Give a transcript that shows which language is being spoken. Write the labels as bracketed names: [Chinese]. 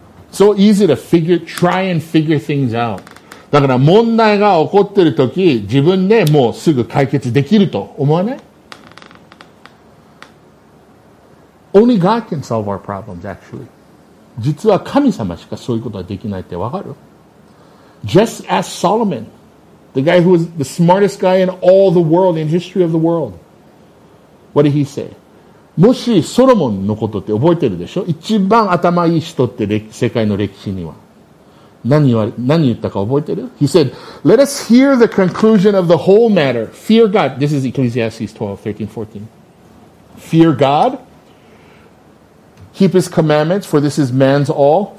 [English] So easy to figure, try and figure things out. [Japanese] だから問題が起こってるとき、自分でもうすぐ解決できると思わない? [English] Only God can solve our problems, actually. [Japanese] 実は神様しかそういうことはできないってわかる? [English] Just ask Solomon, the guy who was the smartest guy in all the world, in history of the world. What did he say? [Japanese] もしソロモンのことって覚えてるでしょ?一番頭いい人って世界の歴史には。何言ったか覚えてる? [English] He said, let us hear the conclusion of the whole matter. Fear God. This is Ecclesiastes 12, 13, 14. Fear God. Keep his commandments, for this is man's all.